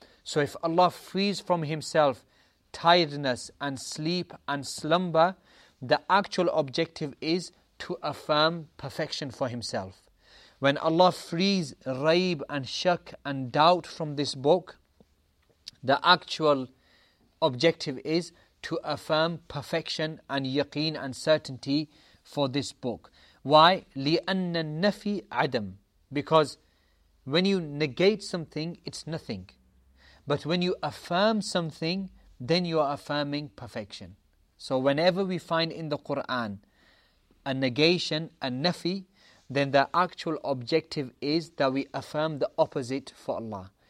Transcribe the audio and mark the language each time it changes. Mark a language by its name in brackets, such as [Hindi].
[English] So if Allah frees from himself tiredness and sleep and slumber the actual objective is to affirm perfection for himself. When Allah frees raib and shak and doubt from this book, the actual objective is to affirm perfection and yaqeen and certainty for this book. Why? [Arabic] لِأَنَّ النَّفِي adam. [English] Because when you negate something, it's nothing. But when you affirm something, then you are affirming perfection. So whenever we find in the Qur'an a negation, a nafi, then the actual objective is that we affirm the opposite for Allah.